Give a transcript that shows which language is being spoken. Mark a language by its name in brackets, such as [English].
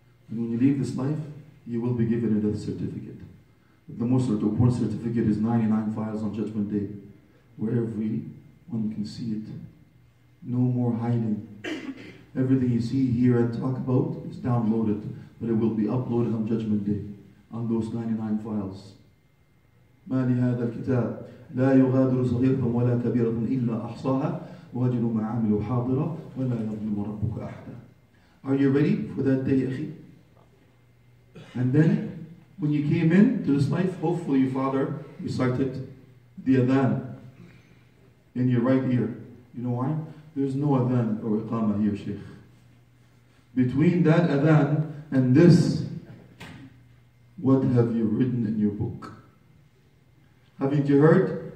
[English] And when you leave this life, you will be given a death certificate. The most important certificate is 99 files on Judgment Day, where everyone can see it. No more hiding. Everything you see, hear, and talk about is downloaded, but it will be uploaded on Judgment Day on those 99 files. [Arabic] ما لهذا الكتاب لا يغادر صغيرة ولا كبيرة إلا أحصاها وجدوا ما عملوا حاضرة ولا يظلم ربك أحدا. [English] Are you ready for that day, أخي? And then, when you came in to this life, hopefully your father recited the adhan in your right ear. You know why? There's no adhan or iqama here, Sheikh. Between that adhan and this, what have you written in your book? Haven't you heard?